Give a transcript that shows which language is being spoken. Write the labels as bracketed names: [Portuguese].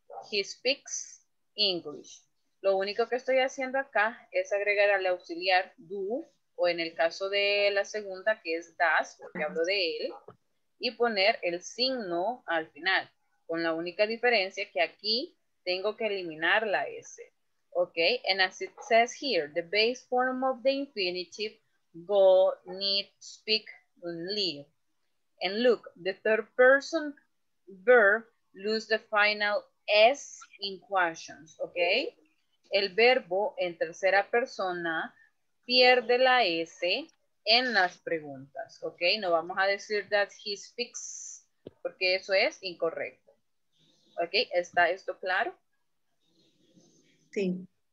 [English] He speaks English. [Spanish] Lo único que estoy haciendo acá es agregar al auxiliar do, o en el caso de la segunda, que es does, porque hablo de él, y poner el signo al final. Con la única diferencia que aquí tengo que eliminar la S. [English] Okay, and as it says here, the base form of the infinitive, go, need, speak, leave. And look, the third person verb lose the final S in questions, okay? [Spanish] El verbo en tercera persona pierde la S en las preguntas, okay? No vamos a decir [English] that he speaks, [Spanish] porque eso es incorrecto. Ok, ¿está esto claro? Sí.